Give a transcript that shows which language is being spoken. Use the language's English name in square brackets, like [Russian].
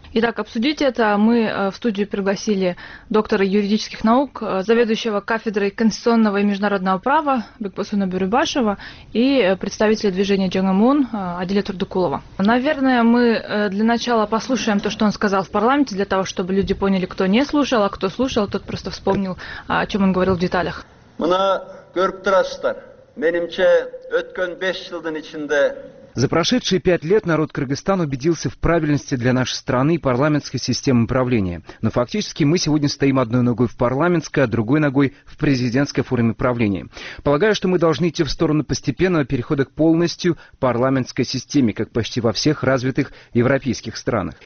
[Russian] Итак, обсудить это мы в студию пригласили доктора юридических наук, заведующего кафедрой конституционного и международного права Бекбосуна Бюрюбашева и представителя движения «Джангамун» Аделя Турдыкулова. Наверное, мы для начала послушаем то, что он сказал в парламенте, для того, чтобы люди поняли, кто не слушал, а кто слушал, тот просто вспомнил, о чем он говорил в деталях. [Kyrgyz] Мына көрүп турасыздар. Менимче, өткөн 5 жылдын ичинде [Russian] За прошедшие 5 лет народ Кыргызстана убедился в правильности для нашей страны и парламентской системы правления. Но фактически мы сегодня стоим одной ногой в парламентской, а другой ногой в президентской форме правления. Полагаю, что мы должны идти в сторону постепенного перехода к полностью парламентской системе, как почти во всех развитых европейских странах.